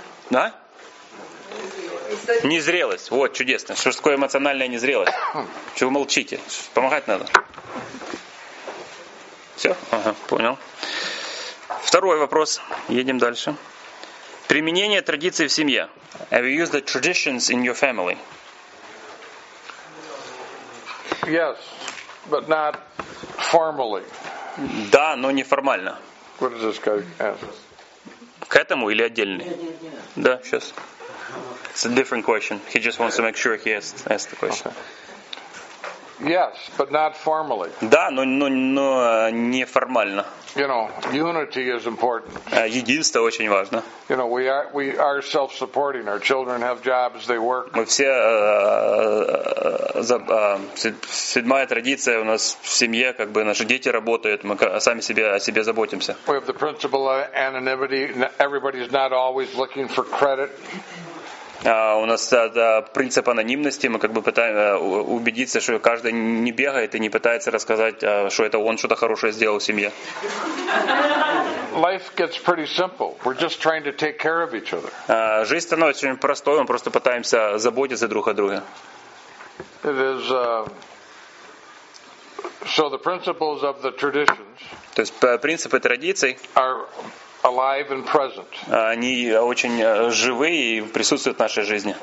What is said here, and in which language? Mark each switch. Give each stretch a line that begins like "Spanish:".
Russian: Да? Незрелость. Вот, чудесно. Что такое эмоциональная незрелость? Чего молчите? Помогать надо. Все? Ага, понял. Второй вопрос. Едем дальше. Применение традиций в семье.
English: Have you used the traditions in your family? Yes, but not formally.
Russian: Да, но не формально.
English: What is this guy asking?
Russian: К этому или отдельный?
English: Yeah.
Russian: Да, сейчас.
English: It's a different question. He just wants to make sure he asked the question. Okay. Yes, but not formally.
Russian: Да, но не формально.
English: You know, unity is important.
Russian: Единство очень важно.
English: You know, we are self-supporting. Our children have jobs, they work.
Russian: Мы все седьмая традиция у нас в семье, как бы наши дети работают, мы сами о себе заботимся.
English: We have the principle of anonymity. Everybody is not always looking for credit.
Russian: У нас принцип анонимности, мы как бы пытаемся убедиться, что каждый не бегает и не пытается рассказать, что это он что-то хорошее сделал в семье.
English: Life gets pretty simple. We're just trying to take care of each other.
Russian: Жизнь становится очень простой, мы просто пытаемся заботиться друг о друге.
English: It is, so the principles of the traditions.
Russian: То есть принципы традиций.
English: Alive and present.
Russian: Они очень живые и присутствуют в нашей жизни.